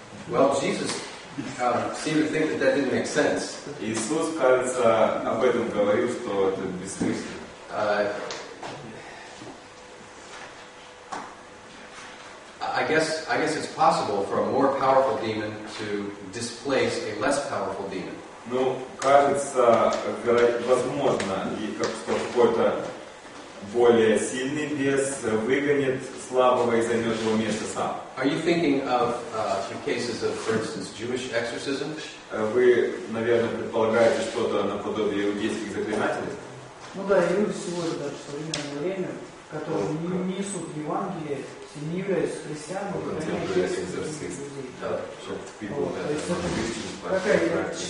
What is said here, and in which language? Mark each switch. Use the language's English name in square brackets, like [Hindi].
[English] Well, Jesus seemed to think that that didn't make sense. [Russian] Иисус, кажется, об этом говорил, что это бессмысленно. [English] I guess it's possible for a more powerful demon to displace a less powerful demon. [Russian] Ну, кажется, возможно, и как что какой-то более сильный бес выгонит слабого и займет его место сам. [English] Are you thinking of the cases of, for instance, Jewish exorcism? [Russian] Вы, наверное, предполагаете что-то наподобие иудейских заклинателей? Ну да, и люди сегодня даже в современное время, которые не несут Евангелие, не являются христианами, они хотят изгонять.